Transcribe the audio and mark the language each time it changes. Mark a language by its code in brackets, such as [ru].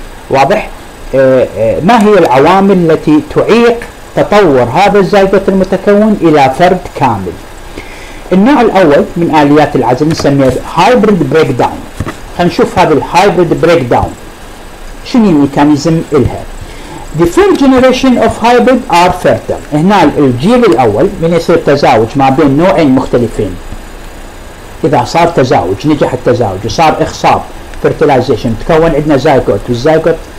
[ar] واضح؟ ما هي العوامل التي تعيق تطور هذا الزايغوت المتكون إلى فرد كامل؟ النوع الأول من آليات العزل نسميه هايبريد بريك داون. هنشوف هذا الهايبريد بريك داون شنو الميكانيزم إلها. [en] The first generation of hybrid are fertile. [ar] هنا الجيل الأول من يصير تزاوج ما بين نوعين مختلفين، إذا صار تزاوج، نجح التزاوج وصار إخصاب fertilization، تكون عندنا زايغوت، والزايغوت